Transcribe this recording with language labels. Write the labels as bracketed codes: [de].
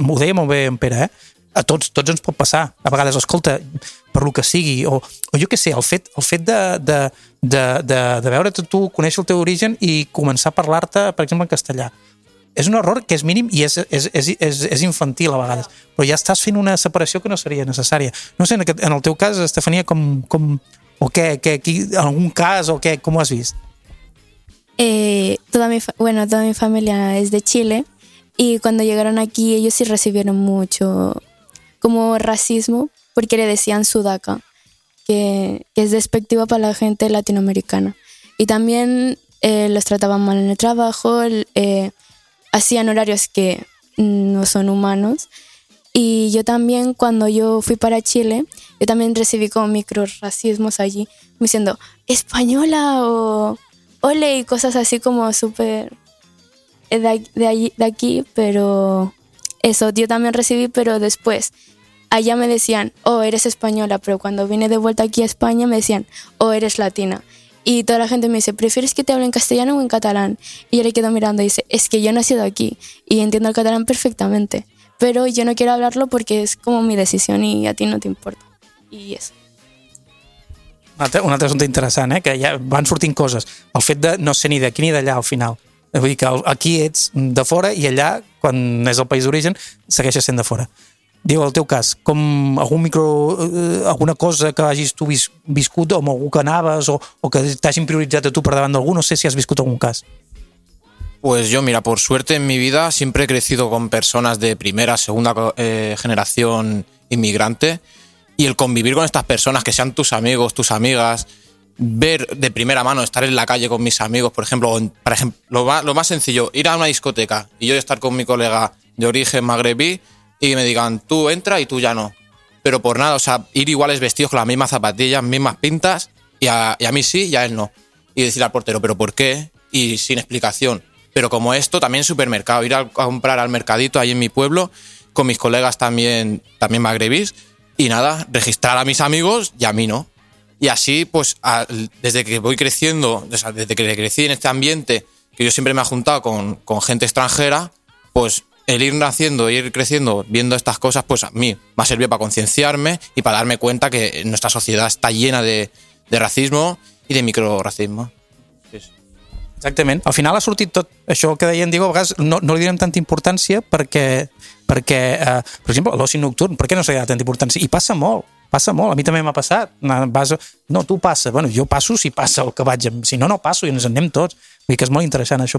[ca] M'ho deia molt bé en Pere, A tots ens pot passar. A vegades, escolta, per lo que sigui, o jo què sé, el fet de veure't tu, conèixer el teu origen i començar a parlar-te, per exemple, en castellà. És un error que és mínim i és infantil a vegades, però ja estàs fent una separació que no seria necessària. No sé, en el teu cas, Estefania, com o què, en algun cas, o què, com ho has vist? [es] Toda mi familia es de Chile y cuando llegaron aquí ellos sí recibieron mucho... como racismo, porque le decían sudaca, que es despectiva para la gente latinoamericana. Y también los trataban mal en el trabajo, hacían horarios que no son humanos. Y yo también, cuando yo fui para Chile, yo también recibí como micro racismos allí, diciendo española o ole y cosas así como súper de aquí, pero eso yo también recibí, pero después... Allá me decían, eres española, pero cuando vine de vuelta aquí a España me decían, eres latina. Y toda la gente me dice, ¿prefieres que te hable en castellano o en catalán? Y yo le quedo mirando y dice, es que yo he nacido aquí y entiendo el catalán perfectamente. Pero yo no quiero hablarlo porque es como mi decisión y a ti no te importa. Y eso. [ca] Una altra assumpte interessant, que ja van sortint coses. El fet de no ser ni d'aquí ni d'allà, al final. Vull dir que aquí ets de fora i allà, quan és el país d'origen, segueixes sent de fora. Diu, el teu cas, com algun micro, alguna cosa que hagis tu viscut o amb algú que anaves o que t'hagin prioritzat a tu per davant d'algú, no sé si has viscut algun cas. [es] Pues yo, mira, por suerte en mi vida siempre he crecido con personas de primera, segunda generación inmigrante, y el convivir con estas personas, que sean tus amigos, tus amigas, ver de primera mano, estar en la calle con mis amigos, por ejemplo, lo más sencillo, ir a una discoteca y yo estar con mi colega de origen magrebí y me digan, tú entra y tú ya no. Pero por nada, o sea, ir iguales vestidos con las mismas zapatillas, mismas pintas, y a mí sí y a él no. Y decirle al portero, ¿pero por qué? Y sin explicación. Pero como esto, también supermercado, ir a comprar al mercadito ahí en mi pueblo, con mis colegas también magrebís, y nada, registrar a mis amigos y a mí no. Y así, pues, desde que voy creciendo, desde que crecí en este ambiente, que yo siempre me he juntado con gente extranjera, pues el ir naciendo, ir creciendo, viendo estas cosas, pues a mí me ha servido para concienciarme y para darme cuenta que nuestra sociedad está llena de racismo y de microracismo. [ca] Exactament. Al final ha sortit tot això que deien, digo, a vegades no li donem tanta importància perquè per exemple, l'oci nocturn, per què no se li ha tanta importància? I passa molt, a mi també m'ha passat. Passo si passa el que vaig, si no, no passo i ens en anem tots. Vull dir que és molt interessant això.